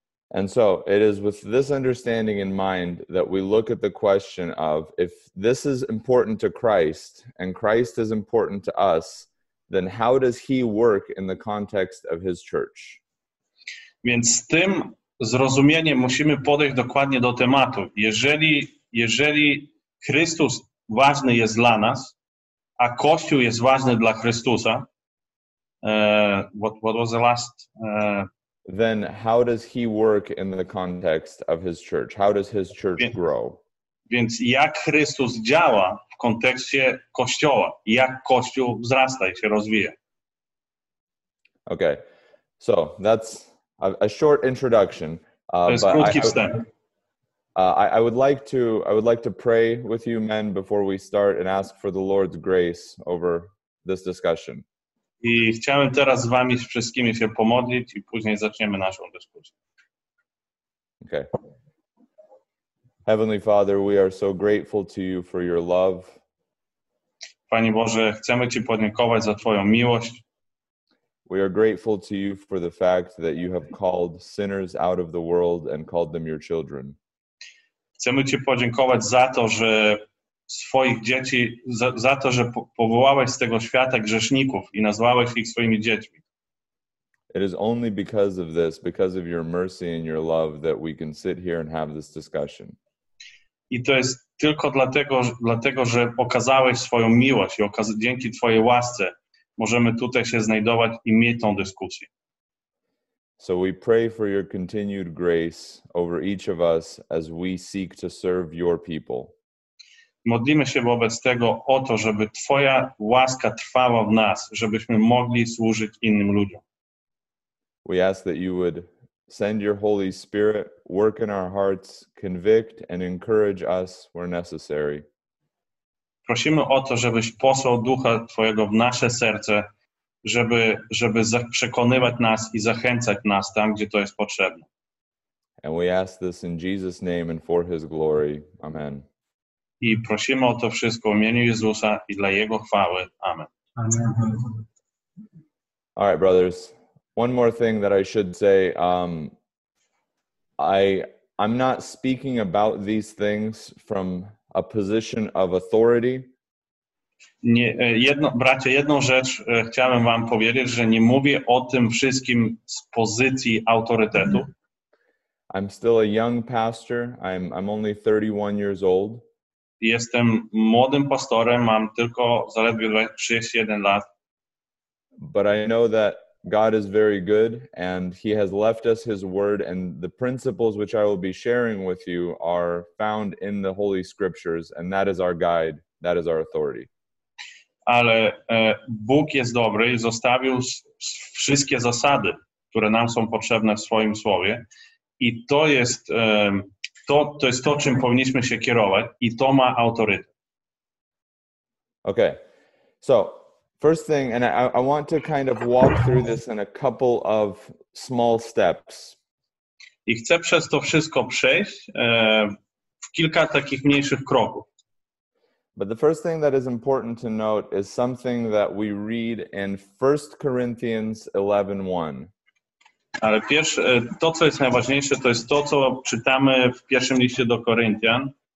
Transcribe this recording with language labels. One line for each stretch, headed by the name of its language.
English: And so it is with this understanding in mind that we look at the question of if this is important to Christ and Christ is important to us, then how does he work in the context of his church?
Polish: Więc z tym zrozumieniem musimy podejść dokładnie do tematu. Jeżeli Chrystus ważny jest dla nas, a Kościół jest ważny dla Chrystusa.
English: What was the last? Then how does he work in the context of his church? How does his church grow?
Polish: Więc jak Chrystus działa w kontekście Kościoła? Jak Kościół wzrasta i się rozwija?
English: Okay, so that's a short introduction.
Polish: To jest krótki wstęp.
English: I would like to pray with you men before we start and ask for the Lord's grace over this discussion.
Polish: I chciałem teraz z wami wszystkimi się pomodlić i później zaczniemy naszą dyskusję.
English: Okay. Heavenly Father, we are so grateful to you for your love.
Polish: Panie Boże, chcemy ci podziękować za twoją miłość.
English: We are grateful to you for the fact that you have called sinners out of the world and called them your children.
Polish: Chcemy ci podziękować za to, że swoich dzieci, za to, że powołałeś z tego świata grzeszników i nazwałeś ich swoimi dziećmi.
English: It is only because of this, because of your mercy and your love, that we can sit here and have this discussion.
Polish: I to jest tylko dlatego, że okazałeś swoją miłość i dzięki twojej łasce możemy tutaj się znajdować i mieć tą dyskusję.
English: So we pray for your continued grace over each of us as we seek to serve your people.
Polish: Modlimy się wobec tego o to, żeby twoja łaska trwała w nas, żebyśmy mogli służyć innym ludziom.
English: We ask that you would send your Holy Spirit, work in our hearts, convict and encourage us where necessary.
Polish: Prosimy o to, żebyś posłał Ducha Twojego w nasze serce, żeby przekonywać nas i zachęcać nas tam, gdzie to jest potrzebne.
English: And we ask this in Jesus' name and for his glory. Amen.
Polish: I prosimy o to wszystko w imieniu Jezusa i dla Jego chwały.
English: Amen. Amen. All right, brothers. One more thing that I should say. I'm not speaking about these things from a position of authority.
Polish: Nie, jedno, bracie, jedną rzecz chciałem wam powiedzieć, że nie mówię o tym wszystkim z pozycji autorytetu.
English: I'm still a young pastor. I'm only 31 years old.
Polish: Jestem młodym pastorem, mam tylko zaledwie 31 lat.
English: But I know that God is very good and he has left us his word and the principles which I will be sharing with you are found in the Holy Scriptures and that is our guide, that is our authority.
Polish: Ale Bóg jest dobry i zostawił wszystkie zasady, które nam są potrzebne w swoim słowie. I to jest to jest to, czym powinniśmy się kierować i to ma autorytet.
English: Okay. So, first thing, and I want to kind of walk through this in a couple of small steps.
Polish: I chcę przez to wszystko przejść w kilka takich mniejszych kroków.
English: But the first thing that is important to note is something that we read in 1 Corinthians 11:1.
Polish: Ale pierwsze, to, co jest najważniejsze, to jest to, co czytamy w pierwszym liście do Koryntian.